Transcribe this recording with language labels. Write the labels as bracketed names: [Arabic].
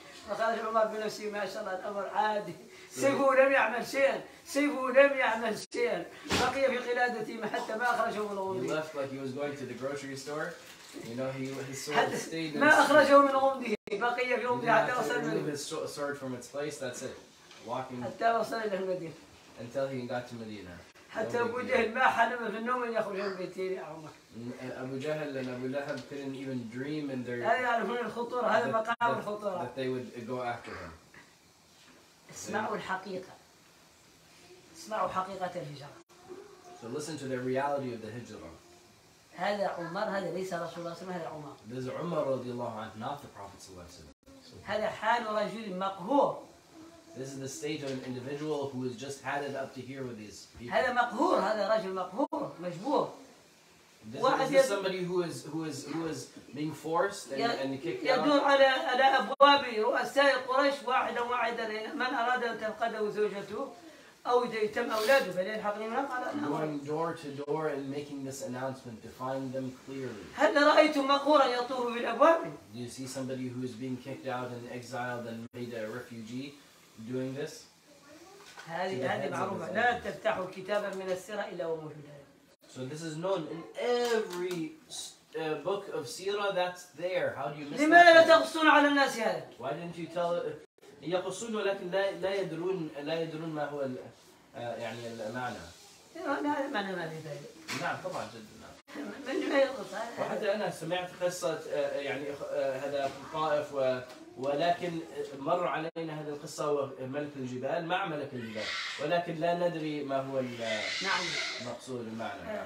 [Arabic] فخرج عمر بنفسه ما شاء الله الأمر عادي. سيفه لم يعمل شيئا. بقي في قلادته حتى ما أخرجه من غمده. [English] He left like he was going to the grocery store. You know, he his sword stayed. [Arabic] ما أخرجه من غمده. بقي في غمده حتى وصل. [English] He removed his sword from its place. That's it. Walking. [Arabic] حتى وصل إلى المدينة. [English] Until he got to Medina. [Arabic] حتى أبو جهل ما حلم في النوم أن يخرج من بيته يا عمر. [English] أبو جهل and أبو لهب couldn't even dream in their. [Arabic] هذا يعرفون الخطورة. هذا مقام الخطورة. [English] That they would go after him. [Arabic] اسمعوا الحقيقة. اسمعوا حقيقة الهجرة. [English] So listen to the reality of the hijra. [Arabic] هذا عمر هذا ليس رسول الله صلى الله عليه وسلم. [English] This is Umar [Arabic] رضي الله عنه, [English] not the Prophet [Arabic] صلى الله عليه وسلم. هذا حال رجل مقهور. [English] This is the state of an individual who has just had it up to here with these people. [Arabic] هذا مقهور هذا رجل مقهور مجبور. [English] This is somebody who is being forced and kicked out. [Arabic] يدور على أبواب رؤساء قريش واحدا واحدا من أراد أن تفقده زوجته. أو يتم أولاده فلين حقنهم قال [English] going door to door and making this announcement to find them clearly. [Arabic] هل رأيت مقهورا يطوف بالأبواب؟ [English] Do you see somebody who is being kicked out and exiled and made a refugee doing this? [Arabic] هذه معروفة لا تفتح كتابا من السيرة إلا وموجودة. [English] So this is known in every book of Sira that's there. How do you miss [Arabic] لماذا لا تقصون على الناس هذا؟ [English] Why didn't you tell [Arabic] يقصون ولكن لا يدرون ما هو يعني المعنى. ما المعنى ما في ذلك؟ نعم طبعا جدا. من يقص؟ وحتى أنا سمعت قصة يعني هذا طائف ولكن مر علينا هذه القصة وملك الجبال مع ملك الجبال ولكن لا ندري ما هو المقصود المعنى.